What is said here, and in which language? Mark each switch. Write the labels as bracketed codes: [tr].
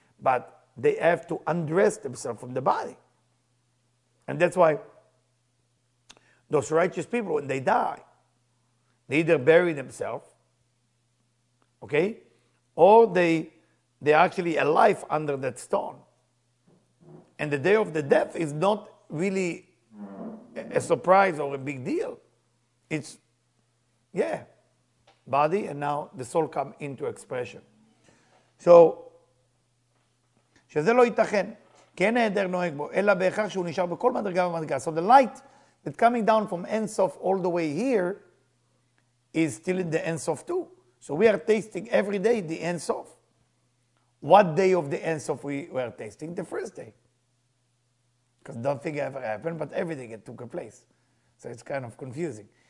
[en] But they have to undress themselves from the body. And that's why those righteous people, when they die, they either bury themselves, okay, or they're actually alive under that stone. And the day of the death is not really a surprise or a big deal. It's, yeah, body, and now the soul come into expression. So, [he] שזה לא ייתכן, כי אין העדר נוהג בו, אלא בהכרח שהוא נשאר בכל מדרגה ומדרגה. [en] So the light that coming down from Ein Sof all the way here is still in the Ein Sof too. So we are tasting every day the Ein Sof. What day of the Ein Sof we are tasting? The first day. Because nothing ever happened, but everything took a place. So it's kind of confusing.